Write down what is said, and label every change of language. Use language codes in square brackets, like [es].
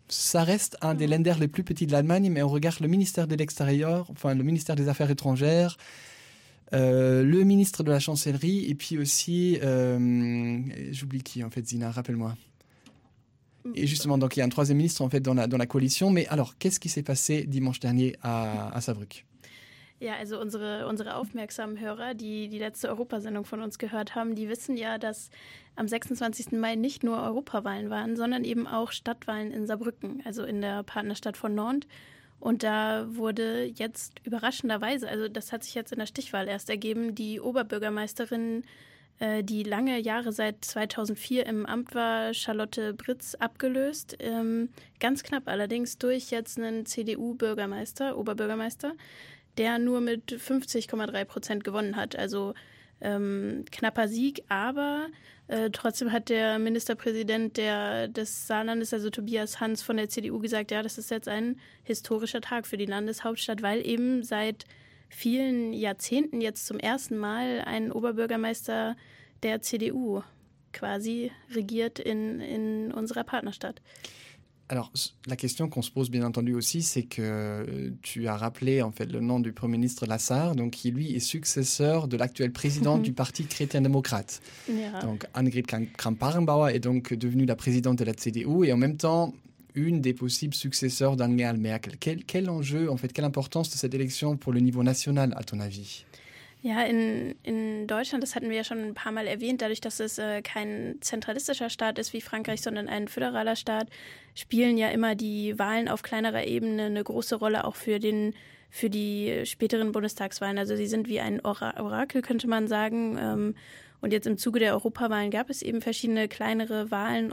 [fr] Ça reste un des Länder les plus petits de l'Allemagne, mais on regarde le ministère de l'Extérieur, enfin le ministère des Affaires étrangères, le ministre de la Chancellerie, et puis aussi, j'oublie qui en fait, Zina, rappelle-moi. Et justement, donc il y a un troisième ministre en fait dans la coalition. Mais alors, qu'est-ce qui s'est passé dimanche dernier à Saarbrück? [de] Ja, also unsere aufmerksamen Hörer, die letzte Europasendung von uns gehört haben, die wissen ja, dass am 26. Mai nicht nur Europawahlen waren, sondern eben auch Stadtwahlen in Saarbrücken, also in der Partnerstadt von Nantes. Und da wurde jetzt überraschenderweise, also das hat sich jetzt in der Stichwahl erst ergeben, die Oberbürgermeisterin die lange Jahre seit 2004 im Amt war, Charlotte Britz, abgelöst. Ganz knapp allerdings durch jetzt einen CDU-Bürgermeister, Oberbürgermeister, der nur mit 50,3% gewonnen hat. Also knapper Sieg, aber trotzdem hat der Ministerpräsident des Saarlandes, also Tobias Hans von der CDU, gesagt, ja, das ist jetzt ein historischer Tag für die Landeshauptstadt, weil eben seit vielen Jahrzehnten jetzt zum ersten Mal ein Oberbürgermeister der CDU quasi regiert in unserer Partnerstadt. [fr] Alors, la question qu'on se pose bien entendu aussi, c'est que tu as rappelé en fait le nom du Premier ministre Lassard, donc qui lui est successeur de l'actuel président du Parti chrétien-démocrate. [de] Ja. [fr] Donc Annegret Kramp-Karrenbauer est donc devenue la présidente de la CDU et en même temps une des possibles successeurs d'Angela Merkel. Quel enjeu, en fait, quelle importance de cette élection pour le niveau national, à ton avis? [de] Ja, in Deutschland, das hatten wir ja schon ein paar Mal erwähnt, dadurch, dass es kein zentralistischer Staat ist wie Frankreich, sondern ein föderaler Staat, spielen ja immer die Wahlen auf kleinerer Ebene eine große Rolle auch für die späteren Bundestagswahlen. Also sie sind wie ein Orakel, könnte man sagen. Und jetzt im Zuge der Europawahlen gab es eben verschiedene kleinere Wahlen.